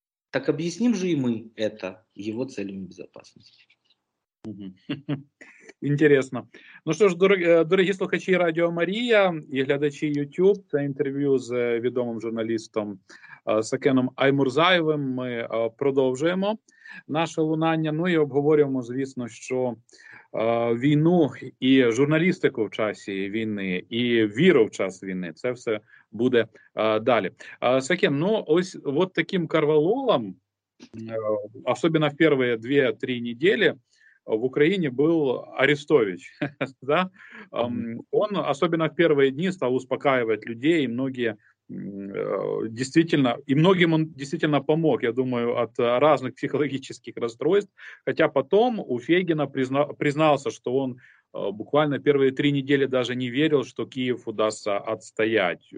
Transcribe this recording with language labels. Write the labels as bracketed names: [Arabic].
[Russian] Так объясним же и мы это его целями безопасности. Интересно. [Ukrainian] Ну что ж, дорогі слухачі Радіо Марія і глядачі YouTube, це інтерв'ю з відомим журналістом Сакеном Аймурзаєвим. Ми продовжуємо наше лунання. Ну і обговорюємо, звісно, що війну і журналістику в часі війни, і віру в час війни, це все буде далі. Сакен, ну ось от таким карвалолом, особливо в перші 2-3 тижні, в Україні був Арестович. [Russian] Да? Он, [Ukrainian] особливо в перші дні, [Russian] став успокаивать людей, і многие действительно, и многим он действительно помог, я думаю, от разных психологических расстройств. Хотя потом у Фейгина признался, что он буквально первые 3 недели даже не верил, что Киев удастся отстоять.